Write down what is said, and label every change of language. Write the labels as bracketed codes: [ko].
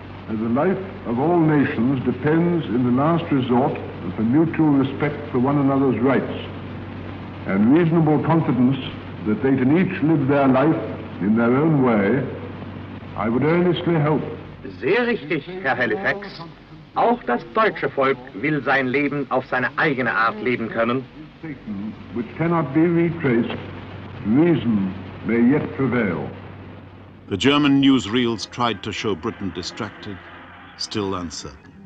[en] As the life of all nations depends in the last resort upon mutual respect for one another's rights and reasonable confidence that they can each live their life in their own way, I would earnestly hope. [de] Sehr richtig, Herr Halifax. Auch das deutsche Volk will sein Leben auf seine eigene Art leben können. [en] Which cannot be retraced, reason may yet prevail. The German newsreels tried to show Britain distracted, still uncertain.